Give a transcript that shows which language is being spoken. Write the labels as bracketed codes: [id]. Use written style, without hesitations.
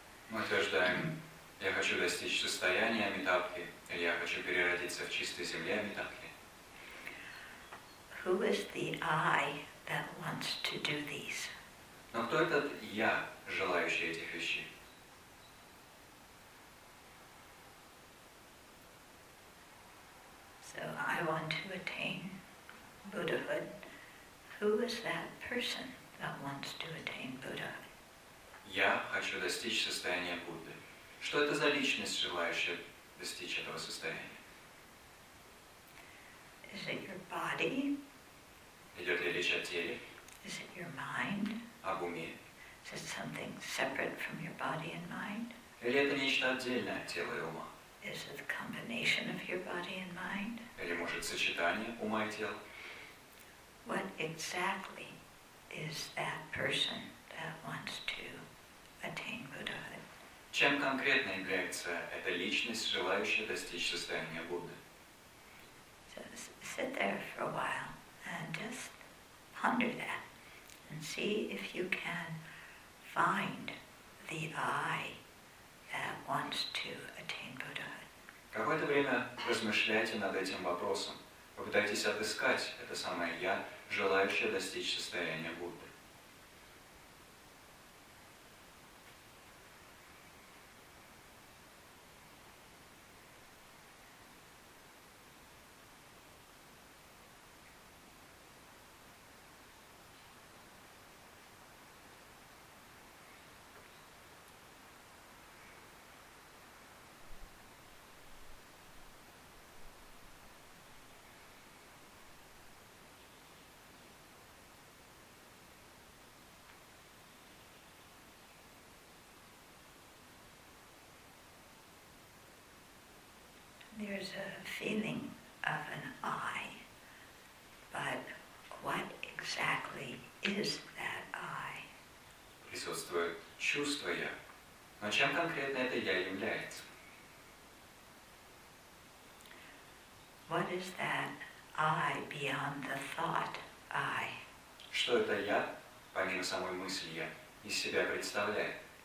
[ru] Мы утверждаем, я хочу достичь состояния Амитабхи, или я хочу переродиться в чистой земле Амитабхи. [en] Who is the I that wants to do these? [ru] Но кто этот я, желающий этих вещей? [en] So I want to attain Buddhahood. Who is that person that wants to attain Buddha? [ru] Я хочу достичь состояния Будды. Что это за личность, желающая достичь этого состояния? [en] Is it your body? [ru] Идет ли речь о теле? [en] Is it your mind? [ru] Об уме? [en] Is it something separate from your body and mind? [ru] Или это нечто отдельное от тела и ума? [en] Is it a combination of your body and mind? [ru] Или, может, сочетание ума и тела? [en] What exactly is that person that wants to attain Buddhahood? [ru] Чем конкретно является эта личность, желающая достичь состояния Будды? [en] So sit there for a while and just ponder that and see if you can find the I that wants to attain Buddhahood. [ru] Какое-то время размышляйте над этим вопросом. Попытайтесь отыскать это самое «я», желающее достичь состояния Будды. [en] There's a feeling of an I, but what exactly is that I? [ru] Присутствует чувство я, но чем конкретно это я является? [en] What is that I beyond the thought I? [ru] Что это я, помимо самой мысли я, из себя представляет?